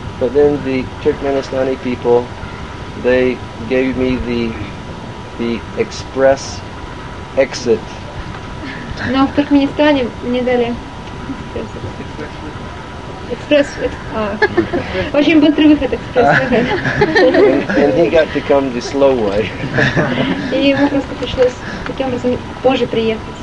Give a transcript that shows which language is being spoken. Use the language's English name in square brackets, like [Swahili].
[English] But then the Turkmenistani people, they gave me the express exit. [Russian] Но в Туркменистане мне дали. Экспресс, очень быстрый выход экспресс. [English] And he got to come the slow way. [Russian] И ему просто пришлось таким образом позже приехать.